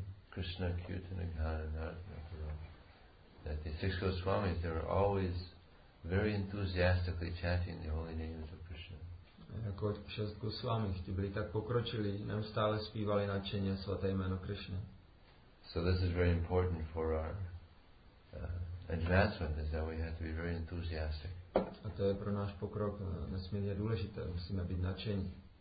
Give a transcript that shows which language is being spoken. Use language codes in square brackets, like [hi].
[en] Krishna Kirtana Ghana Narayana, that the six Goswamis, they were always very enthusiastically chanting the holy names of Krishna. [cs] Jako šest Goswami, ti byli tak pokročilí, neustále zpívali nadšeně svaté jméno Krishna. [en] So this is very important for our advancement, is that we have to be very enthusiastic. [cs] A to je pro náš pokrok nesmírně důležité, musíme být nadšení.